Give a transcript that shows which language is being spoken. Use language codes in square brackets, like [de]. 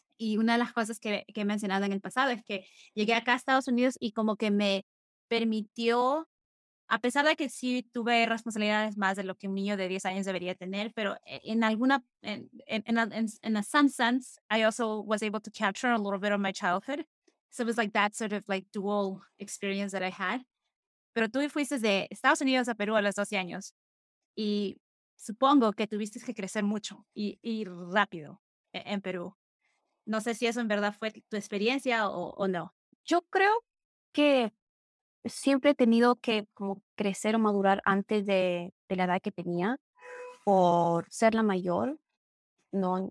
[es] Y una de las cosas que he mencionado en el pasado es que llegué acá a Estados Unidos y como que me permitió a pesar de que sí tuve responsabilidades más de lo que un niño de 10 años debería tener, pero en alguna, [en] in some sense, I also was able to capture a little bit of my childhood. So it was like that sort of like dual experience that I had. [es] Pero tú fuiste de Estados Unidos a Perú a los 12 años y supongo que tuviste que crecer mucho y rápido en Perú. No sé si eso en verdad fue tu experiencia o no. Yo creo que siempre he tenido que como crecer o madurar antes de la edad que tenía por ser la mayor, ¿no?